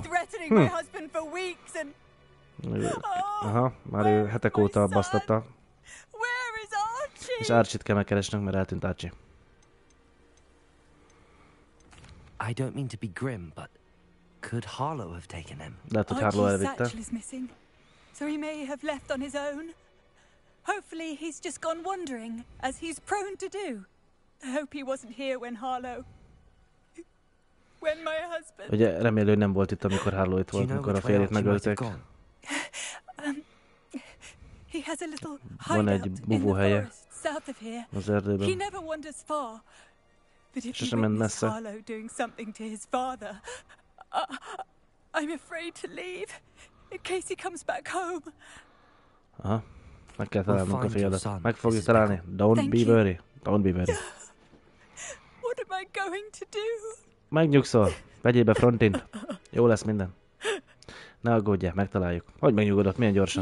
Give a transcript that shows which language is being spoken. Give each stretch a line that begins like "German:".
English: He's been threatening my husband for weeks and...
Hungarian: Aha, már ő hetek óta basztatta.
English: Where is Archie?
Hungarian: És Archie-t kell megkeresnünk, mert eltűnt Archie.
English: I don't mean to be grim, but could Harlow have taken him?
Hungarian: Lehet, hogy Harlow elvitte.
English: Archie's satchel is missing, so he may have left on his own. Hopefully he's just gone wandering, as he's prone to do. I hope he wasn't here when Harlow... When my husband...
Hungarian: Ugye, remélő nem volt itt, amikor Harlow itt volt, amikor a férjét megölték.
English: He has a little hideout in the forest south of here. He never wanders far. But if he witnesses Harlow doing something to his father, I'm afraid to leave in case he comes back home. Aha.
Hungarian: Meg kell találni a fiadat. Meg fogjuk találni.
English: Don't be worried. Don't be worried. What am I going to do?
Hungarian: Megnyugszol. Vegyél be Frontin. Jó lesz minden. Ne aggódj, megtaláljuk. Hogy megnyugodott, milyen gyorsan.